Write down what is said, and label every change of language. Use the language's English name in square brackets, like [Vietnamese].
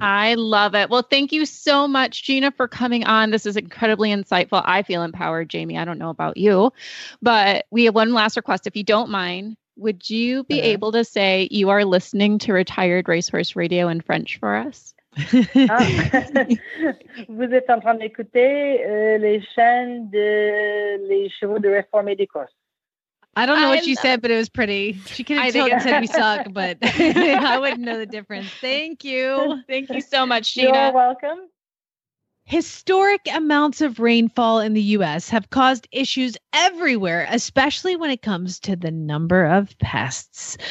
[English] I love it. Well, thank you so much, Gina, for coming on. This is incredibly insightful. I feel empowered, Jamie. I don't know about you, but we have one last request. If you don't mind, would you be able to say you are listening to Retired Racehorse Radio in French for us? [French] Vous êtes en train d'écouter les chaînes de les chevaux de réforme et des courses. [English] I don't know what she said, but it was pretty. She could have told and said we suck, but I wouldn't know the difference. Thank you. Thank you so much, Gina. You're welcome. Historic amounts of rainfall in the U.S. have caused issues everywhere, especially when it comes to the number of pests.